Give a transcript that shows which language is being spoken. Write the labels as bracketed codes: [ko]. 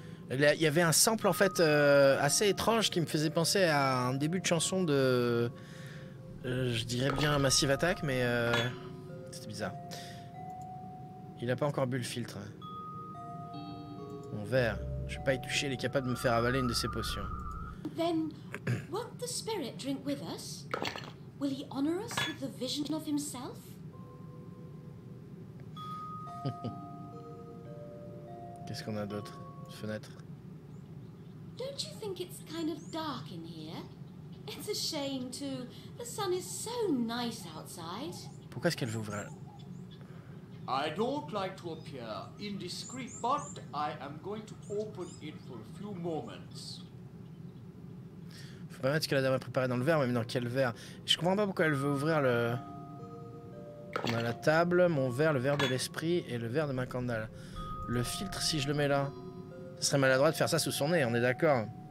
[fr] Il y avait un sample en fait assez étrange qui me faisait penser à un début de chanson de, je dirais bien Massive Attack, mais c'était bizarre. Il n'a pas encore bu le filtre. Mon verre, je vais pas y toucher, il est capable de me faire avaler une de ses potions. [en] Then, won't the spirit drink with us? Will he honor us with the vision of himself? [fr] Qu'est-ce qu'on a d'autre? Fenêtre. [en] Don't you think it's kind of dark in here? It's a shame too. The sun is so nice outside. [fr] Pourquoi est-ce qu'elle veut ouvrir? [en] I don't like to appear indiscreet, but I am going to open it for a few moments. [fr] Faut pas mettre ce que la dame a préparé dans le verre, mais dans quel verre? Je comprends pas pourquoi elle veut ouvrir le... On a la table, mon verre, le verre de l'esprit et le verre de ma candale. Le filtre, si je le mets là... Ce serait maladroit de faire ça sous son nez, on est d'accord.